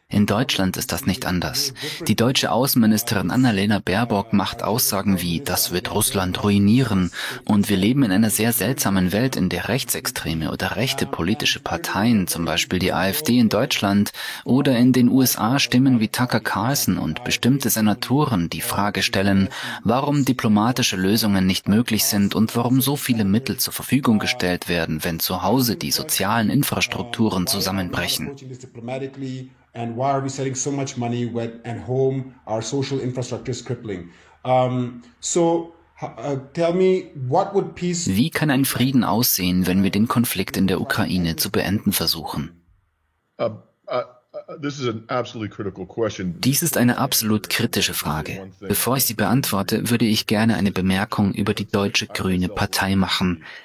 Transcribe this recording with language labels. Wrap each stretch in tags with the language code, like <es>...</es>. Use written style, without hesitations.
<de>In Deutschland ist das nicht anders. Die deutsche Außenministerin Annalena Baerbock macht Aussagen wie, das wird Russland ruinieren und wir leben in einer sehr seltsamen Welt, in der rechtsextreme oder rechte politische Parteien, zum Beispiel die AfD in Deutschland oder in den USA, Stimmen wie Tucker Carlson und bestimmte Senatoren die Frage stellen, warum diplomatische Lösungen nicht möglich sind und warum so viele Mittel zur Verfügung gestellt werden, wenn zu Hause die sozialen Infrastrukturen zusammenbrechen.</de> <en>And why are we selling so much money when at home our social infrastructure is crippling? Tell me, what would peace?</en> <de>Wie kann ein Frieden aussehen, wenn wir den Konflikt in der Ukraine zu beenden versuchen? Dies ist eine absolut kritische Frage. Bevor ich sie beantworte, würde ich gerne eine Bemerkung über die Deutsche Grüne Partei machen.</de>